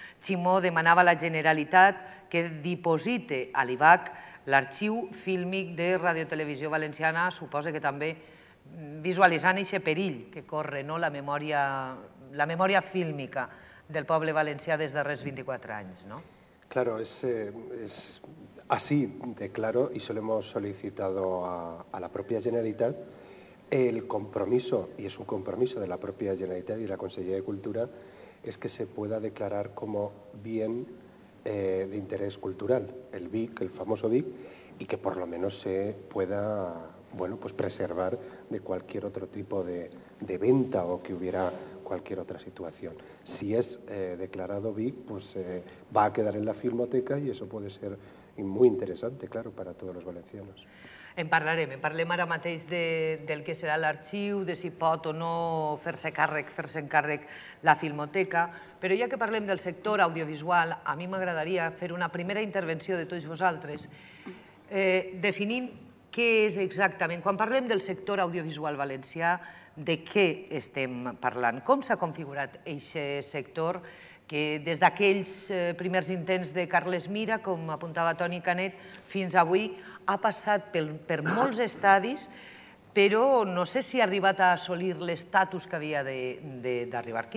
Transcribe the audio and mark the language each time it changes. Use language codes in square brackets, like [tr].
[ca] Ximo demanava a la Generalitat que diposite a l'IVAC l'arxiu fílmic de Radio Televisió Valenciana, suposa que també visualitzant aquest perill que corre, no?, la memòria fílmica del poble valencià des de res 24 anys. No? [es] Claro, es así de claro, y se lo hemos solicitado a la propia Generalitat, el compromiso, y es un compromiso de la propia Generalitat y la Conselleria de Cultura, es que se pueda declarar como bien de interés cultural, el BIC, el famoso BIC, y que por lo menos se pueda, bueno, pues preservar de cualquier otro tipo de venta o que hubiera cualquier otra situación. Si es declarado BIC, pues va a quedar en la filmoteca y eso puede ser muy interesante, claro, para todos los valencianos. [ca] En parlem ara mateix del que serà l'arxiu, de si pot o no fer-se càrrec la filmoteca, però ja que parlem del sector audiovisual, a mi m'agradaria fer una primera intervenció de tots vosaltres definint què és exactament, quan parlem del sector audiovisual valencià, de què estem parlant, com s'ha configurat aquest sector que des d'aquells primers intents de Carles Mira, com apuntava Toni Canet, fins avui ha passat per molts estadis, però no sé si ha arribat a assolir l'estatus que havia d'arribar.